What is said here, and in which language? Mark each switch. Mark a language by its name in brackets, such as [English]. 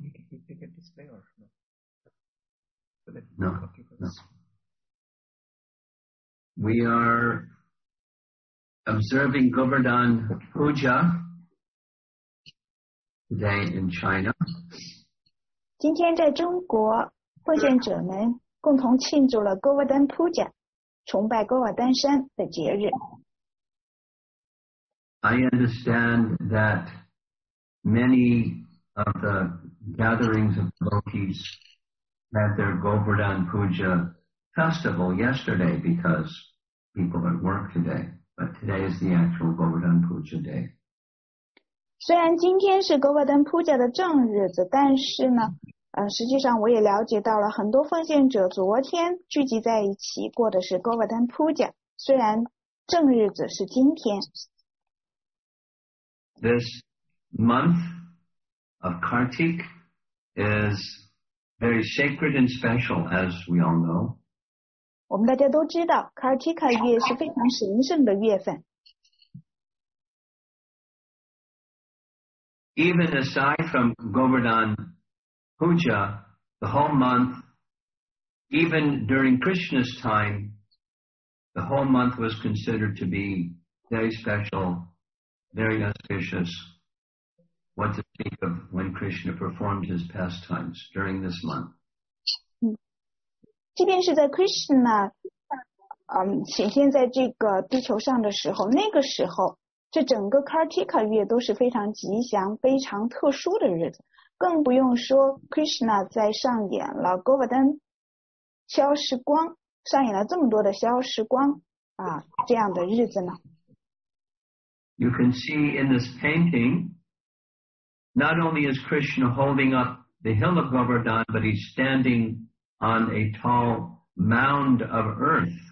[English] you think a display or no? No. We are observing Govardhan Puja today in China. [Chinese] 今天在中国，会见者们共同庆祝了 Govardhan Puja， 崇拜 Govardhan 山的节日。 [English] I understand that many of the gatherings of gopis had their Govardhan Puja festival yesterday because people are at work today. But today is the actual Govardhan Puja day. [Chinese] 虽然今天是 Govardhan Puja的正日子，但是呢，实际上我也了解到了很多奉献者昨天聚集在一起过的是 Govardhan Puja，虽然正日子是今天。 [English] This month of Kartik is very sacred and special, as we all know. [Chinese] 我们大家都知道, Kartika月是非常神圣的月份。 [English] Even aside from Govardhan Puja, the whole month, even during Krishna's time, the whole month was considered to be very special, very auspicious. What to think of when Krishna performed his pastimes during this month. [Chinese] 即便是在 Krishna 显现在这个地球上的时候，那个时候，这整个 Kartika 月都是非常吉祥、非常特殊的日子。更不用说 Krishna 在上演了 Govardhan 消失光，上演了这么多的消失光啊这样的日子呢。 [English] You can see in this painting. Not only is Krishna holding up the hill of Govardhan, but he's standing on a tall mound of earth.